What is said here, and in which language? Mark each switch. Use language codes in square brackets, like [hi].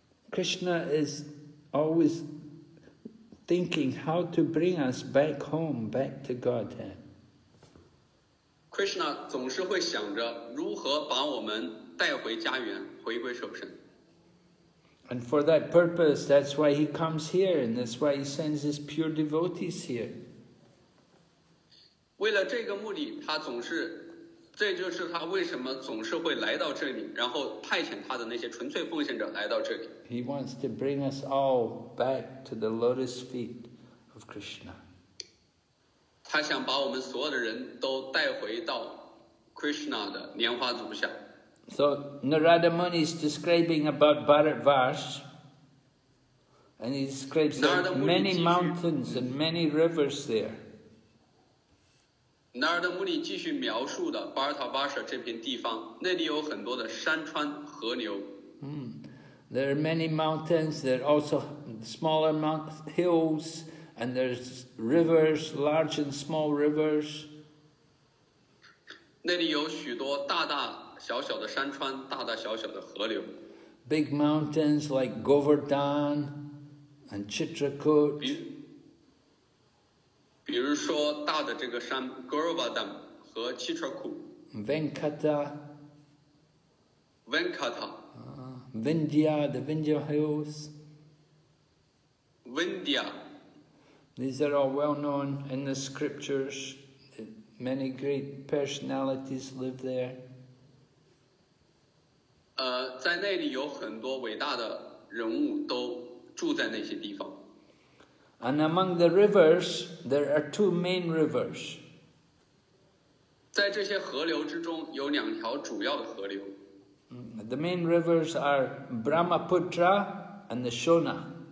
[en] Krishna is always thinking how to bring us back home, back to Godhead. [zh] Krishna 总是会想着如何把我们带回家园，回归守神。 [en] And for that purpose, that's why he comes here, and that's why he sends his pure devotees here. [zh] 为了这个目的，他总是，这就是他为什么总是会来到这里，然后派遣他的那些纯粹奉献者来到这里。 [en] He wants to bring us all back to the lotus feet of Krishna. [zh] 他想把我们所有的人都带回到 Krishna 的莲花足下。 [en] So Narada Muni is describing about Bharat Vash, And he describes many mountains and many rivers there. [zh] Narada Muni 继续描述的 Bhartavarsha 这片地方，那里有很多的山川河流。 [en] There are many mountains, there are also smaller hills, and there's rivers, large and small rivers. [zh] 那里有许多大大小小的山川，大大小小的河流。 [en] Big mountains like Govardhan and Chitrakoot. [zh] 比如说大的这个山 Govardhan 和 Chitrakoot. [en] Venkata. Vindhya, the Vindhya hills. Vindhya. These are all well known in the scriptures. Many great personalities live there. [zh] 在那里有很多伟大的人物都住在那些地方。 [en] And among the rivers, there are two main rivers. [zh] 在这些河流之中有两条主要的河流。 [en] The main rivers are Brahmaputra and the Shona.